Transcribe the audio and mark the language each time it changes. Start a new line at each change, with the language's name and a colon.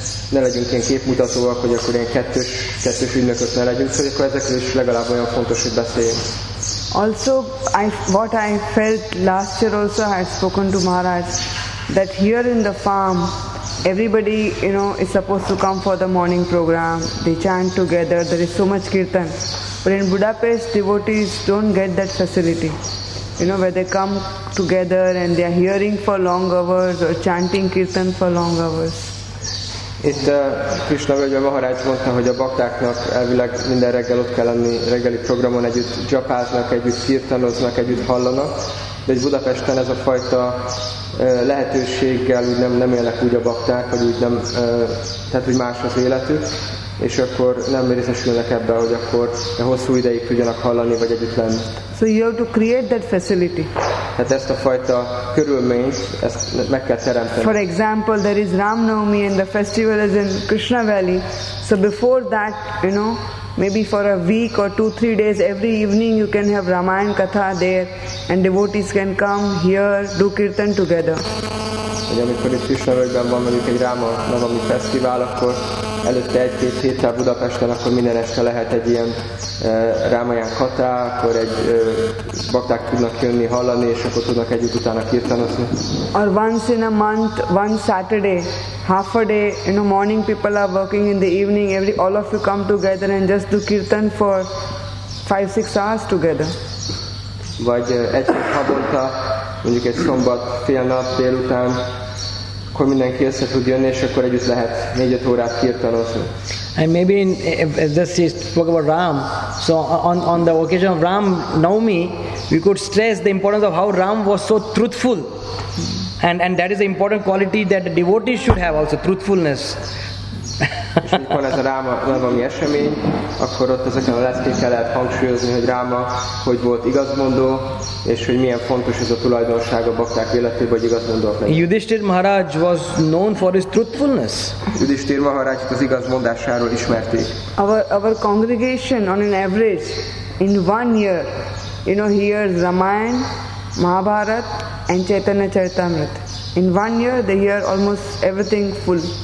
Hungarian: ne legyünk ilyen képmutatóak, hogy akkor ilyen kettős ügynökök ne legyünk, szóval akkor ezekről is legalább olyan fontos, hogy beszéljünk.
English: Also, what I felt last year also, I had spoken to Maharaj that here in the farm, everybody, you know, is supposed to come for the morning program. They chant together. There is so much kirtan. But in Budapest, devotees don't get that facility. You know, where they come together and they are hearing for long hours or chanting kirtan for long hours.
Hungarian: Itt Krishna völgyben Maharaj mondta, hogy a baktáknak elvileg minden reggel ott kell lenni, reggeli programon együtt japáznak, együtt kirtanoznak, együtt hallanak, de egy Budapesten ez a fajta lehetőséggel úgy nem élnek úgy a bakták, hogy úgy nem, tehát hogy más az életük, és akkor nem részesülnek ebben, hogy akkor hosszú ideig tudjanak hallani, vagy együtt lenni.
English: So you have to create that facility.
Hungarian: Hát ezt a fajta körülményt, ezt meg kell teremteni.
English: For example, there is Ram Navami and the festival is in Krishna Valley. So before that, you know, maybe for a week or 2-3 days, every evening you can have Ramayana Katha there and devotees can come here, do kirtan together.
Hungarian: Hogy amikor itt Krishna-völgyben van mondjuk egy Ráma Navami fesztivál, akkor előtte egy-két héttel Budapesten, akkor minden este lehet egy ilyen Ramayana Katha, akkor egy bakták tudnak jönni, hallani, és akkor tudnak együtt utána kirtanozni.
English: Or once in a month, one Saturday, half a day, you know, morning people are working, in the evening, all of you come together and just do kirtan for 5-6 hours together.
Hungarian: Vagy egy-két havonta, mondjuk egy szombat fél nap délután, akkor mindenki össze tud jönni, és akkor együtt lehet 4-5 órát kirtanozni.
English: And maybe if this is talk about Ram, so on the occasion of Ram Navami, we could stress the importance of how Ram was so truthful. And that is the important quality that the devotee should have also, truthfulness.
Hungarian: Amikor ez a ráma valami esemény, akkor ott ezeken a leckékkel lehet hangsúlyozni, hogy ráma, hogy volt igazmondó, és hogy milyen fontos ez a tulajdonság a bakták életében, hogy igazmondó legyen.
English: Yudhishthir Maharaj was known for his truthfulness.
Hungarian: Yudhishthir Maharaj az igazmondásáról ismerték.
English: Our congregation on an average in one year, you know, hears Ramayana, Mahabharata and Chaitanya Charitamrita. In one year they hear almost everything full.